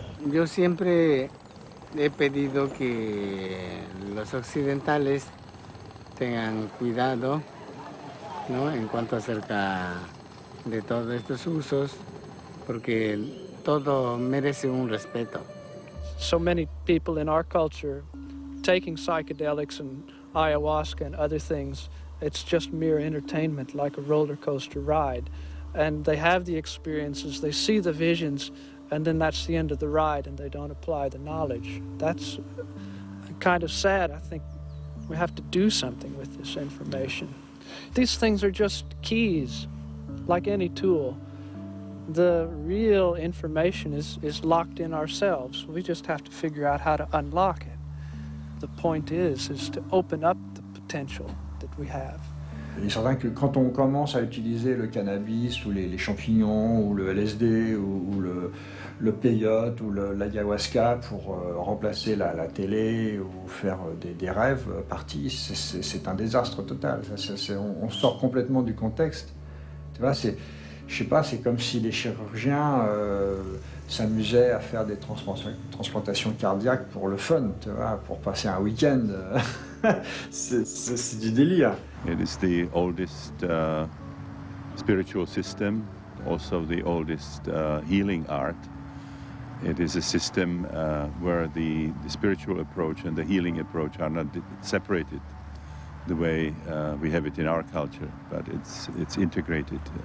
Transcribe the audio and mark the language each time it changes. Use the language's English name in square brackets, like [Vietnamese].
[Spanish] Yo siempre he pedido que los occidentales tengan cuidado, ¿no?, en cuanto acerca de todos estos usos, porque todo merece un respeto. [English] So many people in our culture taking psychedelics and ayahuasca and other things, it's just mere entertainment, like a roller coaster ride. And they have the experiences, they see the visions, and then that's the end of the ride, and they don't apply the knowledge. That's kind of sad. I think we have to do something with this information. These things are just keys, like any tool. The real information is locked in ourselves. We just have to figure out how to unlock it. The point is to open up the potential that we have. [French] Il est certain que quand on commence à utiliser le cannabis ou les champignons ou le LSD ou le peyote ou l'ayahuasca pour remplacer la télé ou faire des rêves partis, c'est un désastre total. On sort complètement du contexte. Tu vois, c'est comme si les chirurgiens s'amusaient à faire des transplantations cardiaques pour le fun, tu vois, pour passer un week-end. c'est du délire. [English] It is the oldest spiritual system, also the oldest healing art. It is a system where the spiritual approach and the healing approach are not separated the way we have it in our culture, but it's integrated.